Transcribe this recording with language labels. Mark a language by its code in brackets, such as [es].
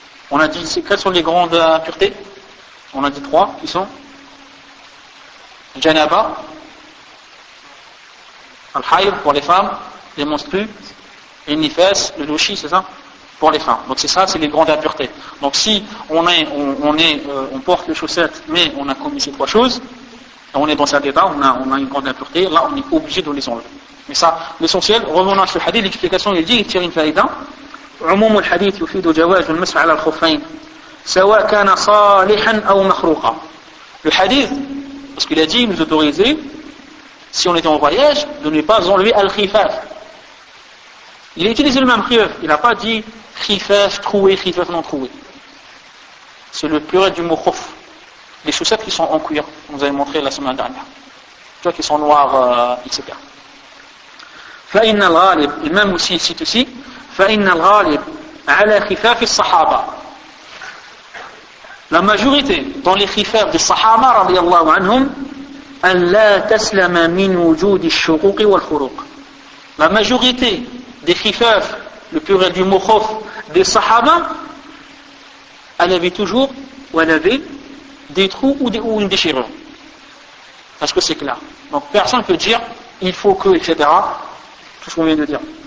[fr] On a dit, quelles sont les grandes impuretés? On a dit trois qui sont janaba, al-hayd pour les femmes, les menstrues, les nifes, le douchi, c'est ça? Pour les femmes. Donc c'est ça, c'est les grandes impuretés. Donc si on porte les chaussettes, mais on a commis ces trois choses, on est dans cet état, on a une grande impureté, là on est obligé de les enlever. Mais ça, l'essentiel, revenons à ce hadith, l'explication, il dit, il tire une faïda. [ar] عموم الحديث يفيد جواز المسح على الخفين سواء كان صالحا أو مخروقا. [fr] الحديث parce qu'il a dit nous autoriser si on était en voyage de ne pas enlever الخفاف. Il a utilisé le même خفاف, il n'a pas dit خفاف troué, خفاف non troué. C'est le pluriel du mot خف, les chaussettes qui sont en cuir, vous avez montré la semaine dernière, tu vois, qui sont noires, etc. [ar] فإن الغالب الإمام [fr] aussi cite aussi [ar] فإن الغالب على خفاف الصحابة. [fr] La majorité dans les [ar] خفاف des الصحابة رضي الله عنهم أن لا تسلم من وجود الشقوق والخروق. [fr] La majorité des خفاف, le pluriel du mot خف, des الصحابة, elle avait toujours, ou elle avait des trous ou une déchirure. Parce que c'est clair. Donc personne ne peut dire il faut que, etc. Tout ce qu'on vient de dire.